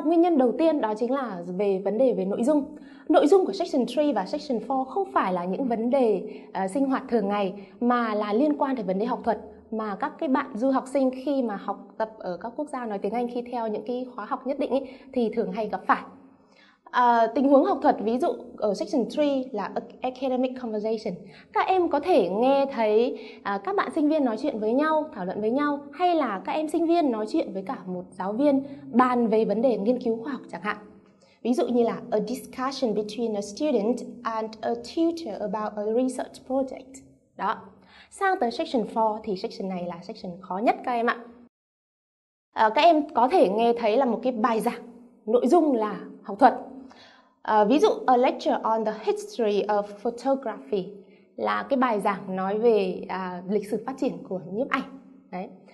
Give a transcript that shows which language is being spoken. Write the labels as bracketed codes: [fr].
[vi] Nguyên nhân đầu tiên đó chính là về vấn đề về nội dung. Nội dung của section 3 và section 4 không phải là những vấn đề sinh hoạt thường ngày mà là liên quan tới vấn đề học thuật mà các cái bạn du học sinh khi mà học tập ở các quốc gia nói tiếng Anh khi theo những cái khóa học nhất định ý, thì thường hay gặp phải. Tình huống học thuật ví dụ ở section 3 là [en] academic conversation. [vi] Các em có thể nghe thấy các bạn sinh viên nói chuyện với nhau, thảo luận với nhau, hay là các em sinh viên nói chuyện với cả một giáo viên bàn về vấn đề nghiên cứu khoa học chẳng hạn. Ví dụ như là [en] a discussion between a student and a tutor about a research project. [vi] Đó. Sang tới section 4 thì section này là section khó nhất các em ạ. Các em có thể nghe thấy là một cái bài giảng, nội dung là học thuật. Ví dụ [en] a lecture on the history of photography, [vi] là cái bài giảng nói về lịch sử phát triển của nhiếp ảnh. Đấy.